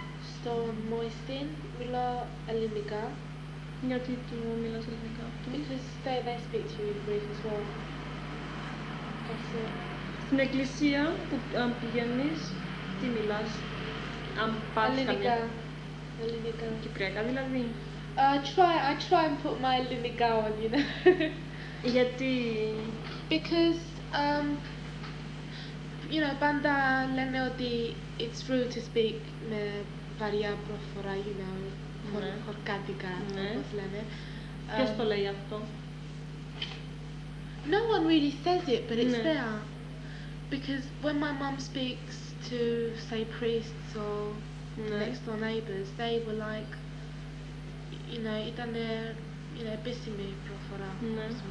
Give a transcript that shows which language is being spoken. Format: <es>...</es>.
<el>Στο Μόιστιν μιλώ ελληνικά. Γιατί του μιλάς ελληνικά?</el> <en>Because they speak to you in Greek as well.</en> <el>Στην εκκλησία που πηγαίνεις, τι μιλάς, αν πας ελληνικά. Ελληνικά. Κυπριακά δηλαδή.</el> <en>I try and put my ελληνικά on, you know.</en> <el>Γιατί?</el> <en>Because, you know,</en> <el>πάντα λένε ότι</el> <en>it's rude to speak</en> <el>με βαριά προφορά,</el> <en>you know,</en> <el>χωρκάτικα, όπως λένε. Ποιος το λέει αυτό?</el> <en>No one really says it, but it's there. Because when my mom speaks to, say, priests or next door neighbors, they were like, you know,</en> <el>ήταν,</el> <en>you know,</en> <el>επίσημη προφορά.</el>